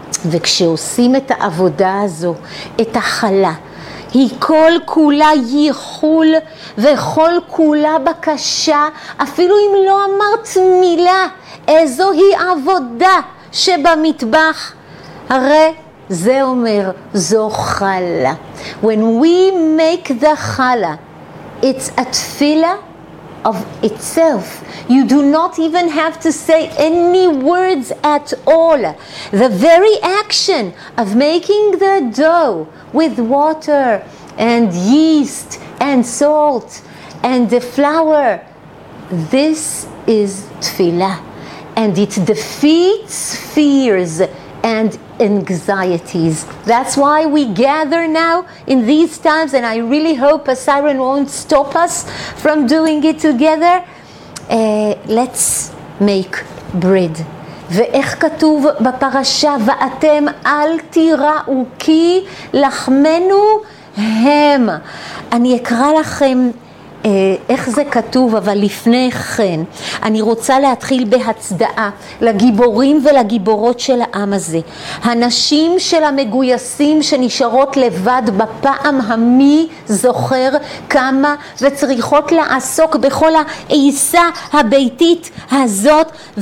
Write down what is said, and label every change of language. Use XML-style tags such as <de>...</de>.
<he>וכשעושים את העבודה הזו, את החלה, היא כל כולה ייחול וכל כולה בקשה, אפילו אם לא אמרת מילה, איזו היא עבודה שבמטבח, הרי זה אומר, זו חלה.</he> <en>When we make the challah, it's a tefillah of itself. You do not even have to say any words at all. The very action of making the dough with water and yeast and salt and the flour, this is tefillah. And it defeats fears and anxieties. That's why we gather now in these times, and I really hope a siren won't stop us from doing it together. Let's make bread.</en> <he>ואיך כתוב בפרשה, ואתם אל תיראו כי לחמנו הם. אני אקרא לכם איך זה כתוב, אבל לפני כן אני רוצה להתחיל בהצדעה לגיבורים ולגיבורות של העם הזה, הנשים של המגויסים שנשארות לבד בפעם המי זוכר כמה, וצריכות לעסוק בכל העיסה הביתית הזאת,</he>